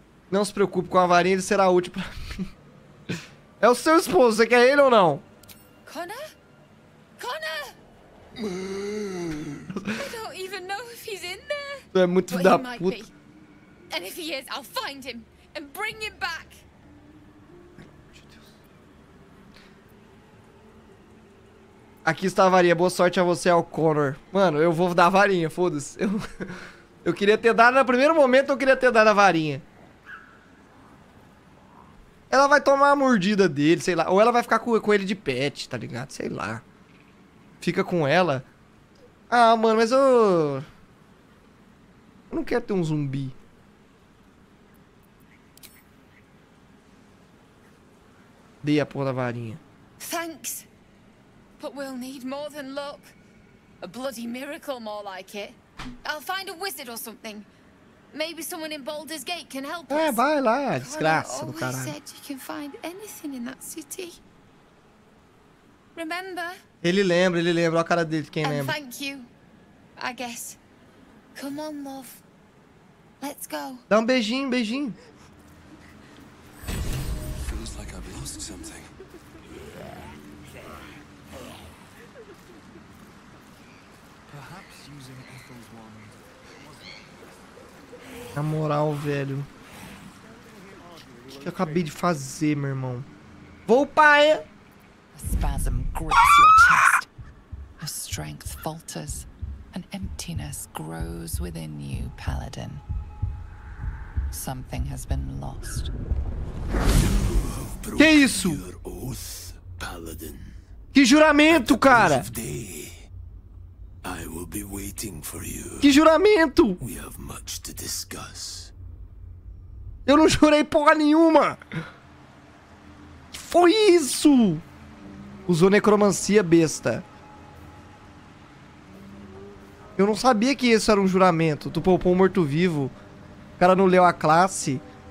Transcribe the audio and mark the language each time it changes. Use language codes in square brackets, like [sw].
[pt] Não se preocupe com a varinha. Ele será útil pra... É o seu esposo, você quer ele ou não? [en] Connor? Connor! I don't even know if he's in there! [pt] É muito da puta. [en] And if he is, I'll find him and bring him back. [pt] Aqui está a varinha. Boa sorte a você, ao Connor. Mano, eu vou dar a varinha, foda-se. Eu queria ter dado, no primeiro momento, eu queria ter dado a varinha. Ela vai tomar a mordida dele, sei lá. Ou ela vai ficar com ele de pet, tá ligado? Sei lá. Fica com ela. Ah, mano, mas eu não quero ter um zumbi. Dei a porra da varinha. [en] Thanks. But we'll need more than luck. A bloody miracle, more like it. I'll find a wizard or something. Maybe someone in Baldur's Gate can help us. [pt] É, vai lá, desgraça do caralho. [en] Said you can find anything in that city. Remember? [pt] Ele lembra a cara dele, de quem [en] and [pt] lembra. [en] Thank you. I guess. Come on, love. Let's go. [pt] Dá um beijinho, beijinho. [en] Feels like I've lost something. [pt] Na moral, velho. O que eu acabei de fazer, meu irmão? Vou, pai! A [en] spasm grips your chest. A strength falters. An emptiness grows within you, Paladin. Something has been lost. [pt] Que isso? [en] Oath, Paladin. [pt] Que juramento, cara! [en] I will be waiting for you. [pt] Que juramento! [en] We have much to discuss. [pt] Eu não jurei porra nenhuma! Que foi isso? Usou necromancia, besta. Eu não sabia que isso era um juramento. Tu poupou um morto-vivo. O cara não leu a classe.